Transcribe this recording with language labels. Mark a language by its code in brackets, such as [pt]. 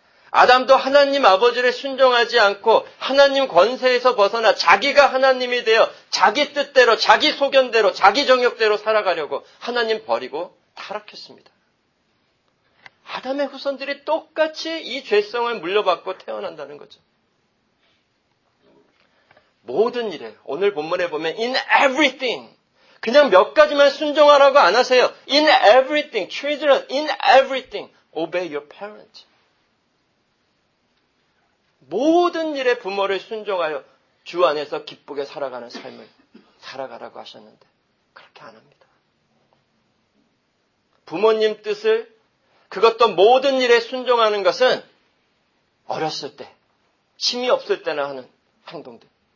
[ko] 아담도 하나님 아버지를 순종하지 않고 하나님 권세에서 벗어나 자기가 하나님이 되어 자기 뜻대로, 자기 소견대로, 자기 정욕대로 살아가려고 하나님 버리고 타락했습니다. 아담의 후손들이 똑같이 이 죄성을 물려받고 태어난다는 거죠. 모든 일에 오늘 본문에 보면 [en] in everything [ko] 그냥 몇 가지만 순종하라고 안 하세요. [en] In everything, children, in everything, obey your parents. [ko] 모든 일에 부모를 순종하여 주 안에서 기쁘게 살아가는 삶을 살아가라고 하셨는데 그렇게 안 합니다. 부모님 뜻을 그것도 모든 일에 순종하는 것은 어렸을 때, 힘이 없을 때나 하는 행동들.